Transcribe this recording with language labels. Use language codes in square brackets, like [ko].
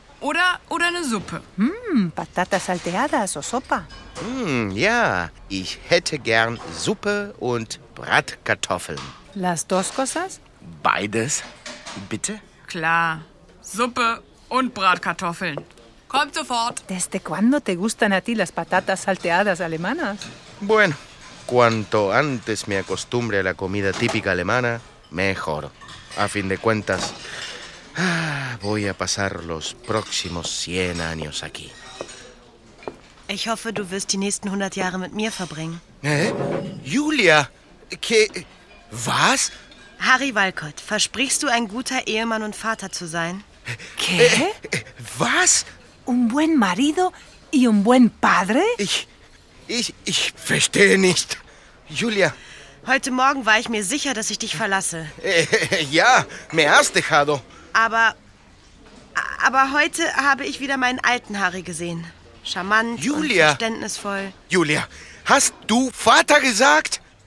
[de] Oder eine Suppe. [es] Patatas salteadas o sopa. [de] Ja, ich hätte gern Suppe und Bratkartoffeln. [es] Las dos cosas? [de] Beides, bitte. Klar, Suppe und Bratkartoffeln. Kommt sofort. [es] ¿Desde cuándo te gustan a ti las patatas salteadas alemanas? Bueno, cuanto antes me acostumbre a la comida típica alemana, mejor. A fin de cuentas, voy a pasar los próximos 100 años aquí. [de] Ich hoffe, du wirst die nächsten 100 Jahre mit mir verbringen. [es] Julia, ¿qué? [de] ¿Was? Harry Walcott, versprichst du, ein guter Ehemann und Vater zu sein? [es] ¿Qué? [de] Was? [es] ¿Un buen marido y un buen padre? [de] Ich verstehe nicht. Julia. Heute Morgen war ich mir sicher, dass ich dich verlasse. [es] Ja, me has dejado. [de] Aber heute habe ich wieder meinen alten Harry gesehen. Charmant, Julia. Und verständnisvoll. Julia, hast du Vater gesagt?